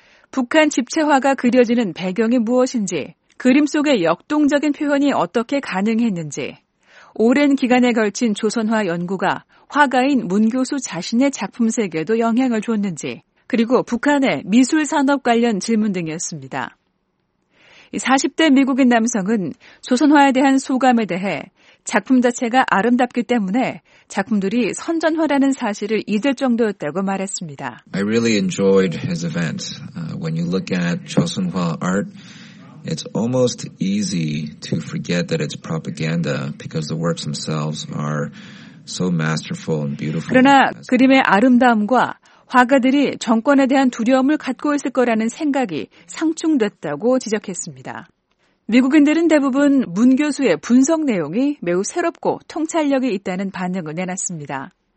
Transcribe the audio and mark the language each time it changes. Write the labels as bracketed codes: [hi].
[ko] 북한 집체화가 그려지는 배경이 무엇인지, 그림 속의 역동적인 표현이 어떻게 가능했는지, 오랜 기간에 걸친 조선화 연구가 화가인 문 교수 자신의 작품 세계에도 영향을 줬는지, 그리고 북한의 미술 산업 관련 질문 등이었습니다. 40대 미국인 남성은 조선화에 대한 소감에 대해 작품 자체가 아름답기 때문에 작품들이 선전화라는 사실을 잊을 정도였다고 말했습니다. [en] I really enjoyed his event. When you look at Joseon-hwa art, it's almost easy to forget that it's propaganda because the works themselves are so masterful and beautiful. [ko] 그러나 그림의 아름다움과 화가들이 정권에 대한 두려움을 갖고 있을 거라는 생각이 상충됐다고 지적했습니다. 미국인들은 대부분 문 교수의 분석 내용이 매우 새롭고 통찰력이 있다는 반응을 내놨습니다.